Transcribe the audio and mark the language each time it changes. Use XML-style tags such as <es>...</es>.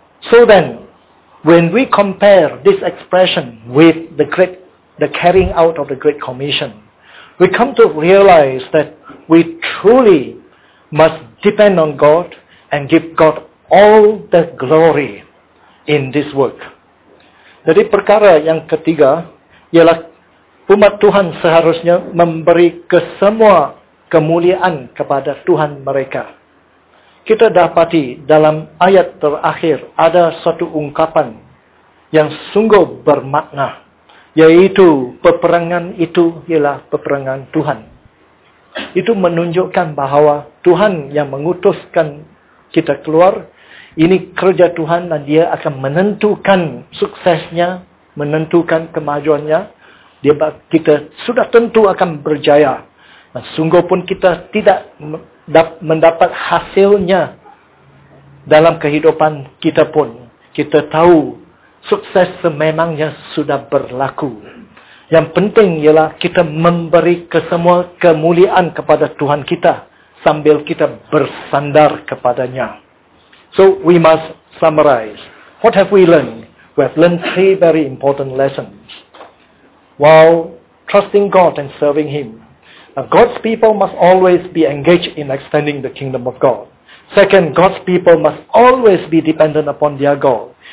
<en>So then, when we compare this expression with the carrying out of the Great Commission, we come to realize that we truly must depend on God and give God all the glory in this work.</en> <ms>Jadi perkara yang ketiga ialah umat Tuhan seharusnya memberi kesemua kemuliaan kepada Tuhan mereka. Kita dapati dalam ayat terakhir ada satu ungkapan yang sungguh bermakna, yaitu peperangan itu ialah peperangan Tuhan. Itu menunjukkan bahwa Tuhan yang mengutuskan kita keluar, ini kerja Tuhan, dan Dia akan menentukan suksesnya, menentukan kemajuannya. Kita sudah tentu akan berjaya. Nah, sungguh pun kita tidak mendapat hasilnya dalam kehidupan kita pun. Kita tahu sukses sememangnya sudah berlaku. Yang penting ialah kita memberi kesemua kemuliaan kepada Tuhan kita sambil kita bersandar kepadanya.</ms> <en>So we must summarize. What have we learned? We have learned three very important lessons. While trusting God and serving Him, God's people must always be engaged in extending the kingdom of God. Second, God's people must always be dependent upon their God.</en>